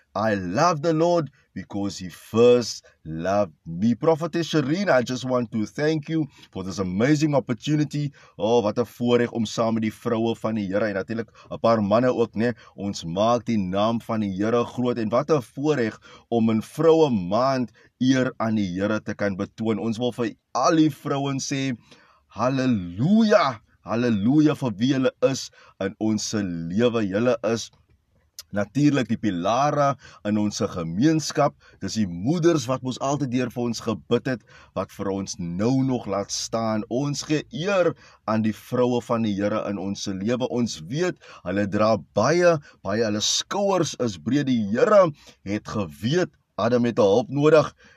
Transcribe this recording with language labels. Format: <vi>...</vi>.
<en>I love the Lord because he first loved me. Prophetess Shireen, I just want to thank you for this amazing opportunity.</en> <af>Oh, wat 'n voorreg om saam met die vroue van die Here en natuurlik 'n paar manne ook, né? Ons maak die naam van die Here groot, en wat 'n voorreg om in vroue maand eer aan die Here te kan betoon. Ons wil vir al die vrouens sê, halleluja, halleluja vir wie julle is in ons lewe. Julle is natuurlik die pilare in ons gemeenskap, dis die moeders wat ons altyd deur vir ons gebid het, wat vir ons nou nog laat staan. Ons gee eer aan die vroue van die Here in ons lewe. Ons weet, hulle dra baie, hulle skouers is breed. Die Here het geweet, Adam het hulp nodig.</af>